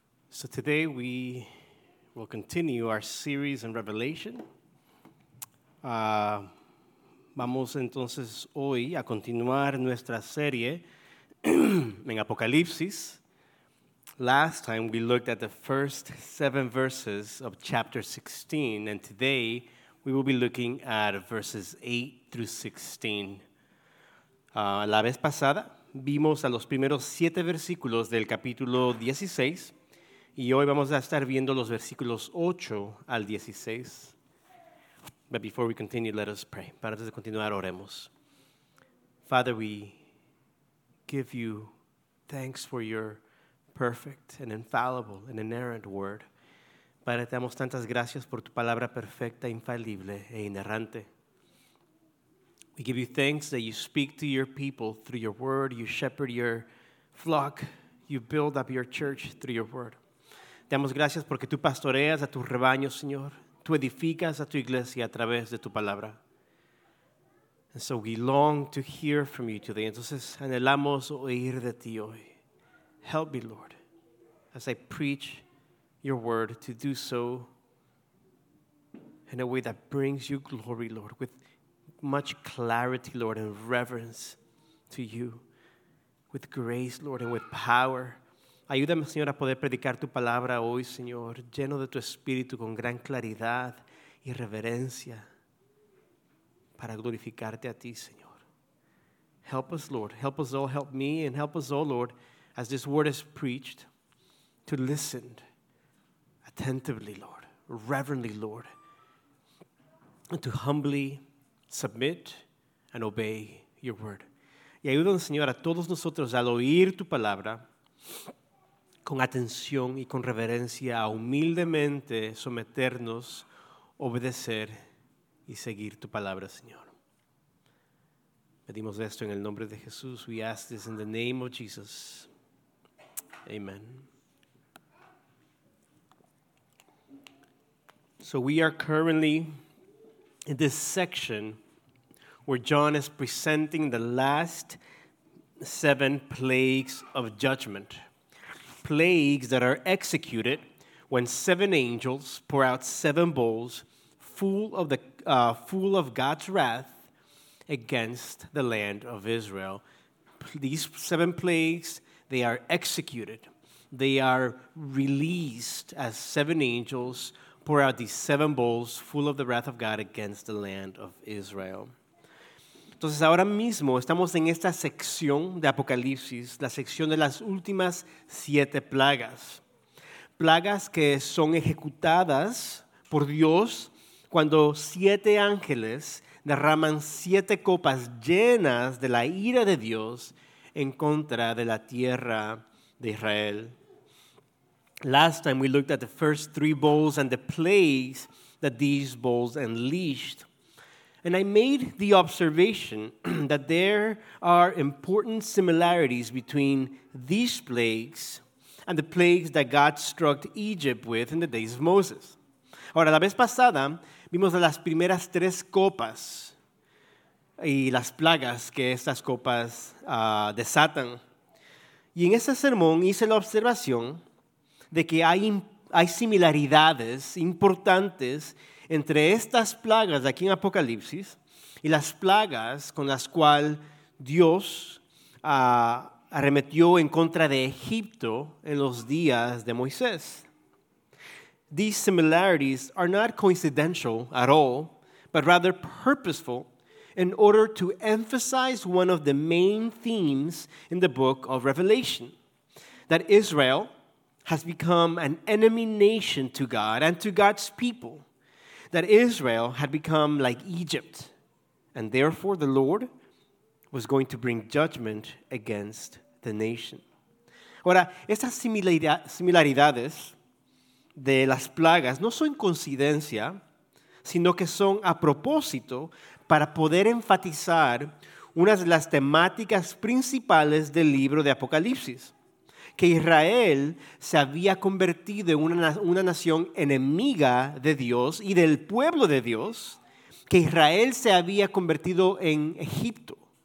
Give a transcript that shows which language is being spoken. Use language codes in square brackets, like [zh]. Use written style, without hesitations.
[en] So today we will continue our series in Revelation. [es] Vamos entonces hoy a continuar nuestra serie en Apocalipsis. [en] Last time we looked at the first seven verses of chapter 16, and today we will be looking at verses 8 through 16. [es] La vez pasada vimos a los primeros siete versículos del capítulo 16, y hoy vamos a estar viendo los versículos 8 al 16. [en] But before we continue, let us pray. [es] Para antes de continuar, oremos. [en] Father, we give you thanks for your perfect and infallible and inerrant word. [es] Padre, te damos tantas gracias por tu palabra perfecta, infalible e inerrante. [en] We give you thanks that you speak to your people through your word. You shepherd your flock. You build up your church through your word. [es] Te damos gracias porque tú pastoreas a tu rebaño, Señor. Tú edificas a tu iglesia a través de tu palabra. [en] And so we long to hear from you today. [es] Entonces anhelamos oír de ti hoy. [en] Help me, Lord, as I preach your word, to do so in a way that brings you glory, Lord, with much clarity, Lord, and reverence to you, with grace, Lord, and with power. [es] Ayúdame, Señor, a poder predicar tu palabra hoy, Señor, lleno de tu espíritu con gran claridad y reverencia para glorificarte a ti, Señor. [en] Help us, Lord. Help us all. Help me and help us all, Lord, as this word is preached, to listen attentively, Lord, reverently, Lord, and to humbly submit and obey your word. [es] Y ayúdame, Señor, a todos nosotros al oír tu palabra, con atención y con reverencia, a humildemente someternos, obedecer y seguir tu palabra, Señor. Pedimos esto en el nombre de Jesús. [en] We ask this in the name of Jesus. Amen. So we are currently in this section where John is presenting the last seven plagues of judgment. Plagues that are executed when seven angels pour out seven bowls full of God's wrath against the land of Israel. These seven plagues, they are executed. They are released as seven angels pour out these seven bowls full of the wrath of God against the land of Israel. [es] Entonces, ahora mismo estamos en esta sección de Apocalipsis, la sección de las últimas siete plagas. Plagas que son ejecutadas por Dios cuando siete ángeles derraman siete copas llenas de la ira de Dios en contra de la tierra de Israel. [en] Last time we looked at the first three bowls and the plagues that these bowls unleashed. And I made the observation that there are important similarities between these plagues and the plagues that God struck Egypt with in the days of Moses. [es] Ahora, la vez pasada, vimos las primeras tres copas y las plagas que estas copas desatan. Y en ese sermón hice la observación de que hay similaridades importantes entre estas plagas de aquí en Apocalipsis y las plagas con las cuales Dios arremetió en contra de Egipto en los días de Moisés. [en] These similarities are not coincidental at all, but rather purposeful in order to emphasize one of the main themes in the book of Revelation, that Israel has become an enemy nation to God and to God's people. That Israel had become like Egypt, and therefore the Lord was going to bring judgment against the nation. [es] Ahora, estas similaridades de las plagas no son coincidencia, sino que son a propósito para poder enfatizar una de las temáticas principales del libro de Apocalipsis, que Israel se había convertido en una nación enemiga de Dios y del pueblo de Dios, que Israel se había convertido en Egipto.